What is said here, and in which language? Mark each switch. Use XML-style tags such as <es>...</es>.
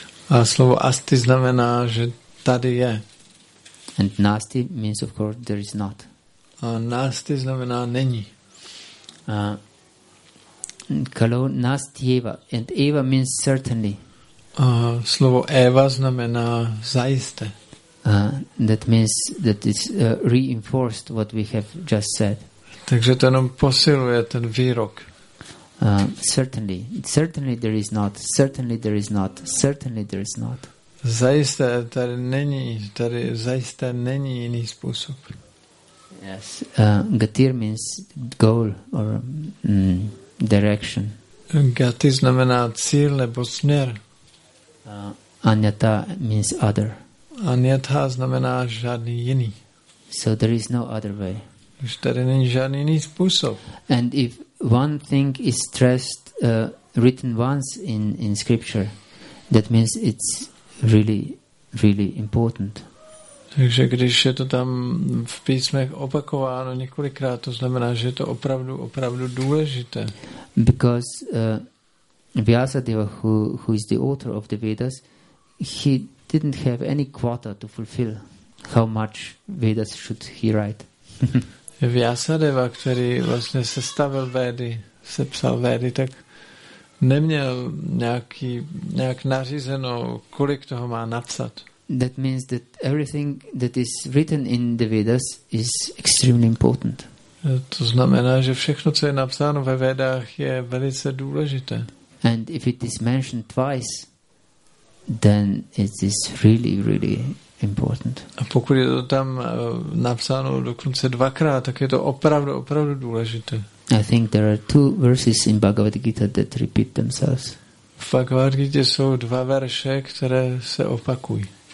<cs>A slovo asti znamená, že tady je.</cs> <en>And nasti means, of course, there is not.</en> <cs>A nasti znamená není.</cs> <en>Kalo nasti eva. And eva means certainly.</en> <cs>Slovo eva znamená zajisté.</cs> <en>That means that it's reinforced what we have just said.</en> <cs>Takže to nám posiluje ten výrok.</cs> <en>Certainly. Certainly there is not. Certainly there is not. Certainly there is not.</en> <cs>Zajisté tady není, tady zajisté není jiný způsob.</cs> <en>Yes, gatir means goal or direction.</en> <cs>Gati znamená cíl nebo směr.</cs> <en>Anyata means other.</en> <cs>Anyata znamená žádný jiný.</cs> <en>So there is no other way.</en> <cs>Už tady není žádný jiný způsob.</cs> <en>And if one thing is stressed, written once in scripture, that means it's really, really important.</en> <cs>Takže když je to tam v písmech opakováno několikrát, to znamená, že je to opravdu, opravdu důležité.</cs> <en>Because Vyasadeva, who is the author of the Vedas, he didn't have any quota to fulfill how much Vedas should he write.</en> <cs>Vyasadeva, který vlastně sestavil Vedy, sepsal Vedy, tak neměl nějak nařízeno, kolik toho má napsat.</cs> <en>That means that everything that is written in the Vedas is extremely important.</en> <cs>To znamená, že všechno, co je napsáno ve Vedách, je velice důležité.</cs> <en>And if it is mentioned twice, then it is really, really important.</en> <cs>A pokud je to tam napsáno dokonce dvakrát, tak je to opravdu, opravdu důležité.</cs> <en>I think there are two verses in Bhagavad Gita that repeat themselves.</en> <cs>V Bhagavad Gita jsou dva verše, které se opakují.</cs>